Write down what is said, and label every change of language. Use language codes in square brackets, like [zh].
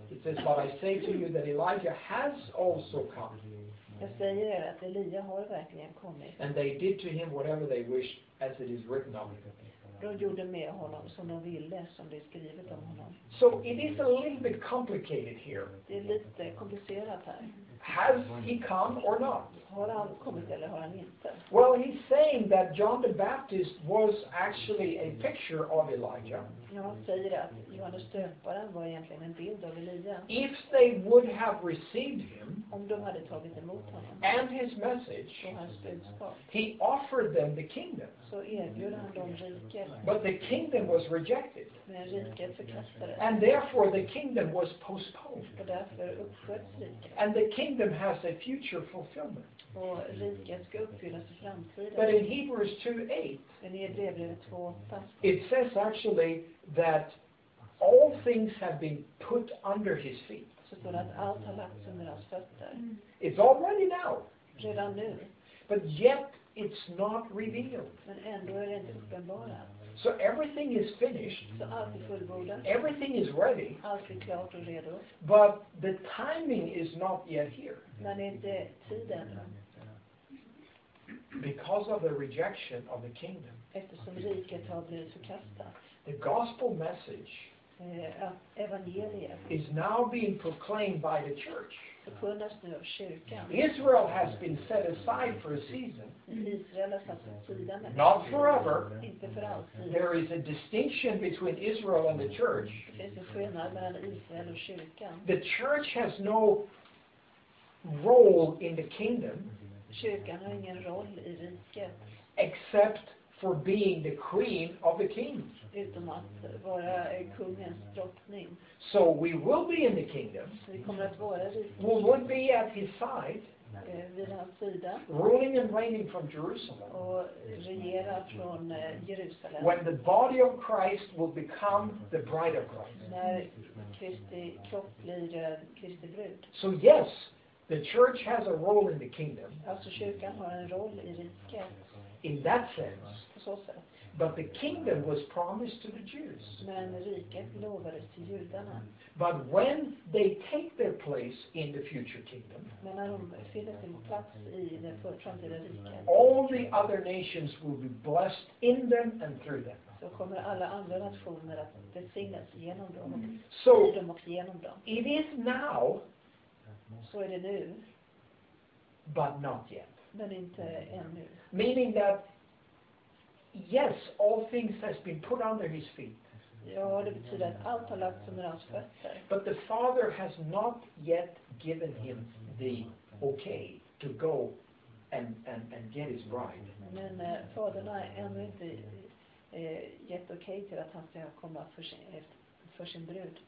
[en] It says, but I say to you that Elijah has also come. [sv] Jag säger er att Elia har verkligen kommit. [en] And they did to him whatever they wished, as it is written of him. [sv] De gjorde med honom som de ville, som det är skrivet om honom. [en] So it is a little bit complicated here. [sv] Det är lite komplicerat här. [en] Has he come or not? [sv] Har han kommit eller har han inte? [en] Well, he's saying that John the Baptist was actually a picture of Elijah. [sv] Ja, han säger att Johannes Döparen var egentligen en bild av Elia. [en] If they would have received him, [sv] om de hade tagit emot honom, [en] and his message, [sv] och hans budskap, [en] he offered them the kingdom. [sv] Så erbjöd han dem riket. [en] But the kingdom was rejected. [sv] Men riket förkastades. [en] And therefore the kingdom was postponed. [sv] Och därför uppsköts riket. [en] And the kingdom has a future fulfillment. [sv] Och riket ska uppfyllas i framtiden. [en] But in Hebrews 2:8, [sv] men i Hebreerbrevet 2:8, [en] it says actually that all things have been put under his feet. [sv] Så står att allt har lagts under hans fötter. [en] It's already now. [sv] Redan nu. [en] But yet it's not revealed. [sv] Men ändå är det inte uppenbarat. [en] So everything is finished. [sv] Så allt är fullbordat. [en] Everything is ready. [sv] Allt är klart och redo. [en] But the timing is not yet here. [sv] Men inte tiden. [en] Because of the rejection of the kingdom. [sv] Eftersom riket har blivit förkastat. [en] The gospel message [sv] evangeliet [en] is now being proclaimed by the church. [sv] Förkunnas nu av kyrkan. [en] Israel has been set aside for a season. [sv] Israel har satts åt sidan. [en] Not forever. [sv] Inte för alltid. [en] There is a distinction between Israel and the church. [sv] Det finns en skillnad mellan Israel och kyrkan. [en] The church has no role in the kingdom. [sv] Kyrkan har ingen roll i riket. [en] Except for being the queen of the king. [sv] Utom att vara kungens drottning. [en] So we will be in the kingdom. [sv] Så vi kommer att vara i riket. [en] We will be at his side. [sv] Vid hans sida. [en] Ruling and reigning from Jerusalem. [sv] Och regera från Jerusalem. [en] When the body of Christ will become the bride of Christ. [sv] När Kristi kropp blir Kristi brud. [en] So yes, the church has a role in the kingdom. [sv] Alltså kyrkan har en roll i riket. [en] In that sense, [sv] på så sätt. [en] But the kingdom was promised to the Jews. [sv] Men riket lovades till judarna. [en] But when they take their place in the future kingdom, [sv] men när de fyller sin plats i det framtida riket, [en] all the other nations will be blessed in them and through them. [sv] Så kommer alla andra nationer att välsignas genom dem, [en] so, [sv] i dem och genom dem. [en] It is now, [sv] så är det nu, [en] but not yet. [sv] Men inte ännu. [en] Meaning that yes, all things has been put under his feet. [sv] Ja, det betyder att allt har lagts under hans fötter. [en] But the Father has not yet given him the okay to go and get his bride. [sv] Men fadern har ännu inte gett okay till att han ska komma för sin brud.